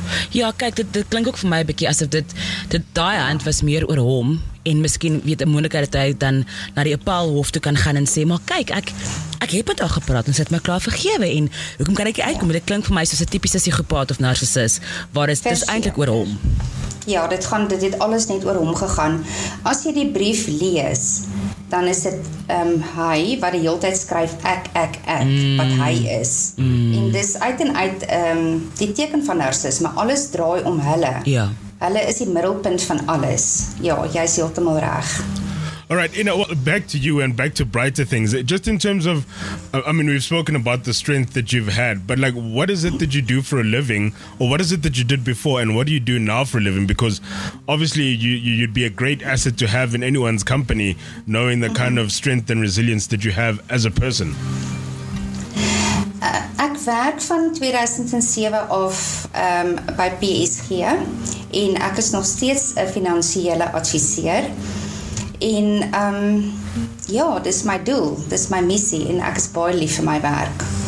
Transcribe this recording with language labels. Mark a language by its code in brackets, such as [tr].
[af] Ja, kyk, dit klink ook vir my 'n bietjie asof dit daai hand was meer oor hom en miskien weet 'n moontlikheid dat hy dan na die Apal hof toe kan gaan en sê, maar kyk, ek het met haar gepraat en sy het my klaar vergewe en hoekom kan ek nie uitkom? Ja. Dit klink vir my soos 'n tipiese psigopaat of narcissus, waar dis eintlik oor hom. Ja, dit het alles net oor hom gegaan. As jy die brief lees, dan is dit hy wat die heeltyd skryf ek, wat hy is. En dis uit en uit die teken van narcisme, alles draai om hulle. Ja. Hulle is die middelpunt van alles. Ja, jy is heeltemal reg. [en] All right, you know, well, back to you and back to brighter things. Just in terms of, I mean, we've spoken about the strength that you've had, but like, what is it that you do for a living, or what is it that you did before, and what do you do now for a living? Because obviously, you'd be a great asset to have in anyone's company, knowing the kind of strength and resilience that you have as a person. [af] Ek werk van 2007 af by PSG, en ek is nog steeds 'n finansiële adviseur. En ja, dit is my doel, dit is my missie en ek is baie lief vir my werk.